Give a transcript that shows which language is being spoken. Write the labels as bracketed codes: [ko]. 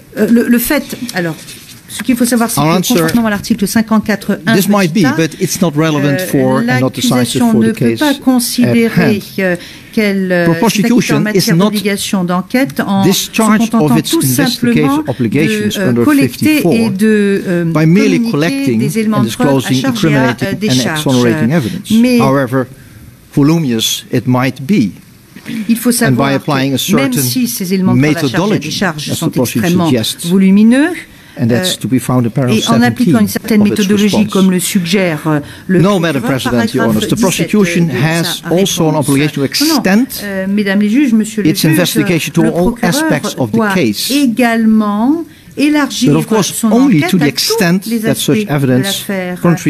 [fr] Le fait, alors, ce qu'il faut savoir, c'est que conformément à l'article 54.1, [en] this might be, but it's not relevant for and not decisive for the case. [fr] L'accusation ne peut pas considérer qu'elle s'acquitte en matière d'obligation d'enquête en se contentant tout simplement de collecter et de communiquer des éléments de preuve à charge et à décharge. [en] Mais, however voluminous it might be, [fr] il faut savoir que même si ces éléments de preuve à charge et à décharge sont extrêmement volumineux, [en] and that's to be found in paragraph 17 [fr] et en appliquant une certaine méthodologie, comme le suggère le [en] no, Madam President, Your Honour, the prosecution has also an obligation to extend its investigation to all aspects of the case. [fr] Également élargir son enquête à tous les aspects de l'affaire,